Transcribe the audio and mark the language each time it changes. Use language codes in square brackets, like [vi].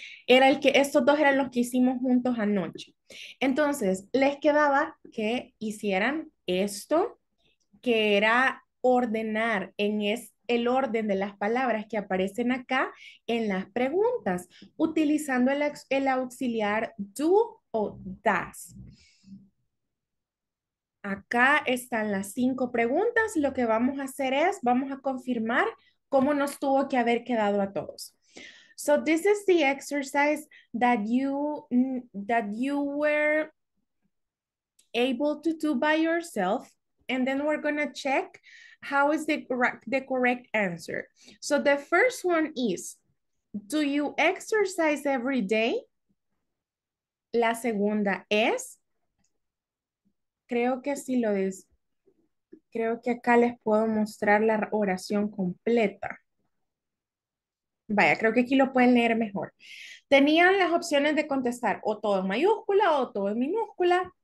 [es] Era el que, estos dos eran los que hicimos juntos anoche. Entonces, les quedaba que hicieran esto, que era ordenar en el orden de las palabras que aparecen acá en las preguntas, utilizando el auxiliar do o does. Acá están las cinco preguntas. Lo que vamos a hacer es, vamos a confirmar cómo nos tuvo que haber quedado a todos. [en] So this is the exercise that you were able to do by yourself. And then we're going to check how is the correct answer. So the first one is, do you exercise every day? [es] La segunda es, creo que sí lo es. Creo que acá les puedo mostrar la oración completa. Vaya, creo que aquí lo pueden leer mejor. Tenían las opciones de contestar o todo en mayúscula o todo en minúscula.